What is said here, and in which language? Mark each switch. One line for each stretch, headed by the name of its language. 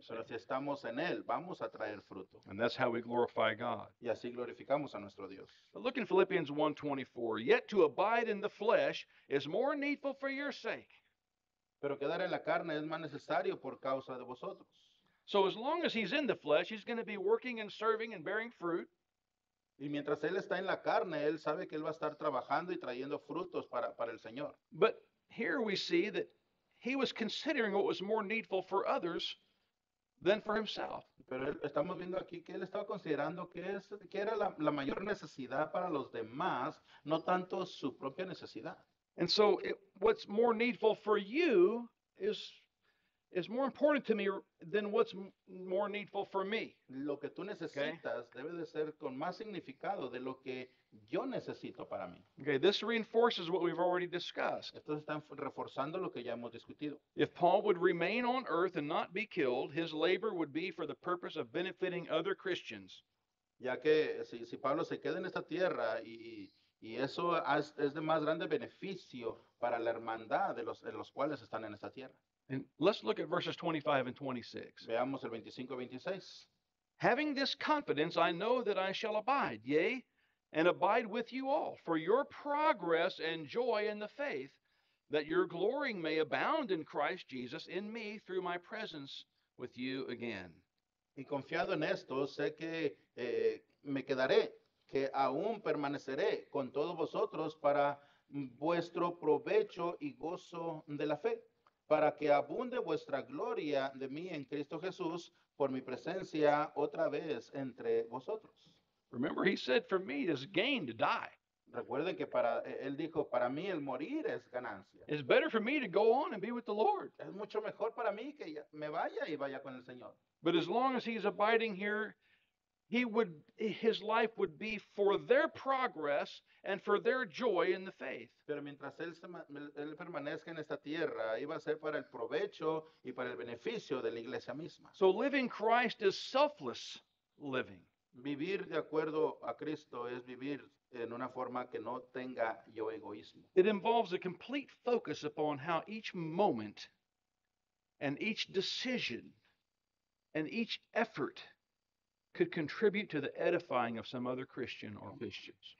Spanish: Pero si estamos en él, vamos a traer fruto.
English: And that's how we glorify God.
Spanish: Y así glorificamos a nuestro Dios.
English: But look in Philippians 1:24. Yet to abide in the flesh is more needful for your sake.
Spanish: Pero quedar en la carne es más necesario por causa de vosotros.
English: So as long as he's in the flesh, he's going to be working and serving and bearing fruit.
Spanish: Y mientras él está en la carne, él sabe que él va a estar trabajando y trayendo frutos para el Señor.
English: But here we see that he was considering what was more needful for others than for himself.
Spanish: Pero estamos viendo aquí que él estaba considerando que era la mayor necesidad para los demás, no tanto su propia necesidad.
English: And so what's more needful for you is more important to me than what's more needful for me.
Spanish: Lo que tú necesitas, okay? Debe de ser con más significado de lo que yo necesito para mí.
English: Okay, this reinforces what we've already discussed.
Spanish: Esto está reforzando lo que ya hemos discutido.
English: If Paul would remain on earth and not be killed, his labor would be for the purpose of benefiting other Christians.
Spanish: Ya que si Pablo se queda en esta tierra y eso es de más grande beneficio para la hermandad de los cuales están en esta tierra.
English: And let's look at verses 25 and 26.
Spanish: Veamos el 25 y 26.
English: Having this confidence, I know that I shall abide, yea, and abide with you all, for your progress and joy in the faith, that your glorying may abound in Christ Jesus in me through my presence with you again.
Spanish: Y confiado en esto, sé que me quedaré, que aún permaneceré con todos vosotros para vuestro provecho y gozo de la fe, para que abunde vuestra gloria de mí en Cristo Jesús por mi presencia otra vez entre vosotros.
English: Remember, he said, for me, it's gain to die.
Spanish: Recuerden que para él dijo, para mí el morir es ganancia.
English: It's better for me to go on and be with the Lord.
Spanish: Es mucho mejor para mí que me vaya y vaya con el Señor.
English: But as long as he's abiding here, his life would be for their progress and for their joy in the faith.
Spanish: Pero mientras él permanezca en esta tierra, iba a ser para el provecho y para el beneficio de la iglesia misma.
English: So living Christ is selfless living.
Spanish: Vivir de acuerdo a Cristo es vivir en una forma que no tenga yo egoísmo.
English: It involves a complete focus upon how each moment and each decision and each effort could contribute to the edifying of some other Christian or Christians.